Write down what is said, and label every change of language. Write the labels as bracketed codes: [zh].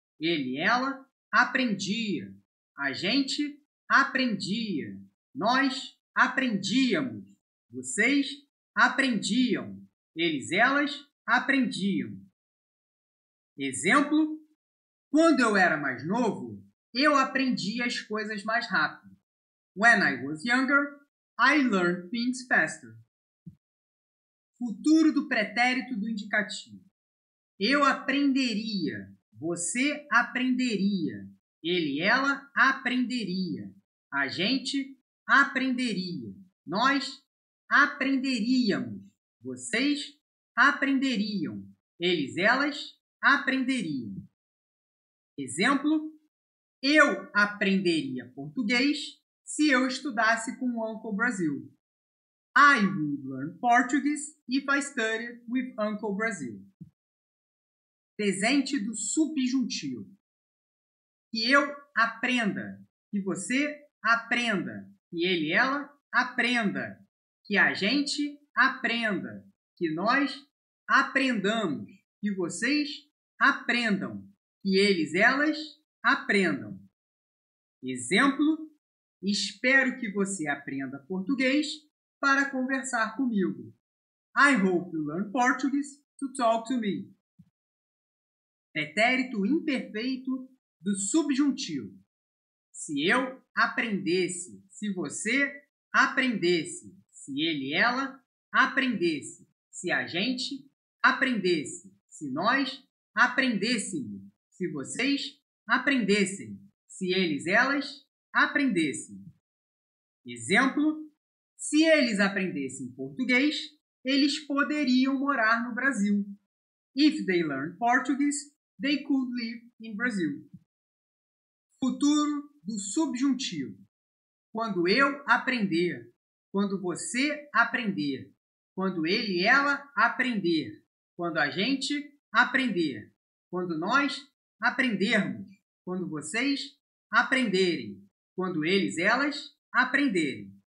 [pt] Ele, ela aprendia. A gente aprendia. Nós aprendíamos. Vocês aprendiam. Eles, elas aprendiam. Exemplo: quando eu era mais novo, eu aprendia as coisas mais rápido. [en] When I was younger, I learned things faster. [pt] Futuro do pretérito do indicativo. Eu aprenderia. Você aprenderia. Ele, ela aprenderia. A gente aprenderia. Nós aprenderíamos. Vocês aprenderiam. Eles, elas aprenderiam. Exemplo: eu aprenderia português se eu estudasse com o Uncle Brazil. [en] I would learn Portuguese if I studied with Uncle Brazil. [pt] Presente do subjuntivo. Que eu aprenda. Que você aprenda. Que ele e ela aprenda. Que a gente aprenda. Que nós aprendamos. Que vocês aprendam. Que eles e elas aprendam. Exemplo: espero que você aprenda português para conversar comigo. [en] I hope you learn Portuguese to talk to me. [pt] Pretérito imperfeito do subjuntivo. Se eu aprendesse, se você aprendesse, se ele e ela aprendesse, se a gente aprendesse, se nós aprendêssemos, se vocês aprendessem, se eles e elas aprendessem. Exemplo: se eles aprendessem português, eles poderiam morar no Brasil. [en] If they learn Portuguese, they could live in Brazil. [pt] Futuro do subjuntivo. Quando eu aprender, quando você aprender, quando ele e ela aprender, quando a gente aprender, quando nós aprendermos, quando vocês aprenderem, quando eles e elas aprenderem.